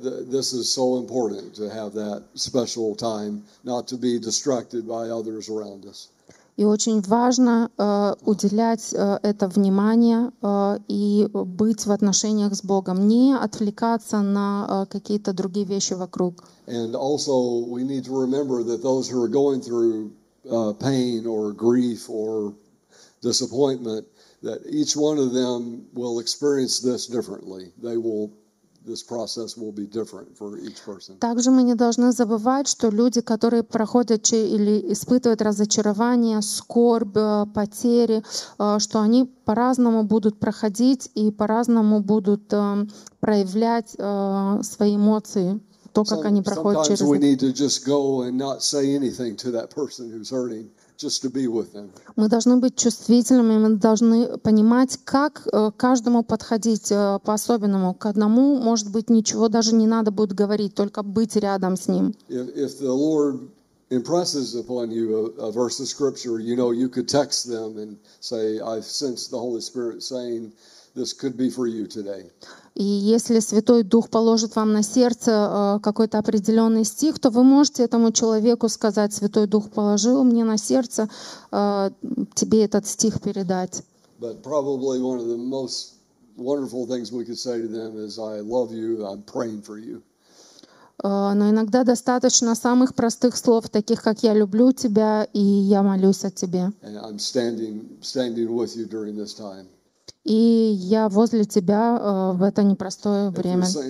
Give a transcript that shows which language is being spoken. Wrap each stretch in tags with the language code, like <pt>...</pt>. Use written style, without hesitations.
<en>This is so important to have that special time, not to be distracted by others around us.</en> <ru>И очень важно уделять это внимание и быть в отношениях с Богом, не отвлекаться на какие-то другие вещи вокруг.</ru> <en>And also we need to remember that those who are going through pain or grief or disappointment, that each one of them will experience this differently. This process will be different for each person.</en> <ru>Также мы не должны забывать, что люди, которые проходят или испытывают разочарование, скорбь, потери, что они по-разному будут проходить и по-разному будут проявлять свои эмоции, то, как они проходят через это.</ru> <en>Sometimes we need to just go and not say anything to that person who's hurting. Just to be with them.</en> <ru>Мы должны быть чувствительными, мы должны понимать, как каждому подходить по-особенному. К одному, может быть, ничего даже не надо будет говорить, только быть рядом с ним.</ru> <en>If the Lord impresses upon you a verse of scripture, you know, you could text them and say, I sense the Holy Spirit saying, this could be for you today.</en> <ru>И если Святой Дух положит вам на сердце какой-то определенный стих, то вы можете этому человеку сказать, Святой Дух положил мне на сердце тебе этот стих передать.</ru> <en>But probably one of the most wonderful things we could say to them is, I love you, I'm praying for you.</en> <ru>Но иногда достаточно самых простых слов, таких как «Я люблю тебя» и «Я молюсь о тебе».</ru> <en>And I'm standing with you during this time.</en> <ru>И я возле тебя в это непростое время.</ru>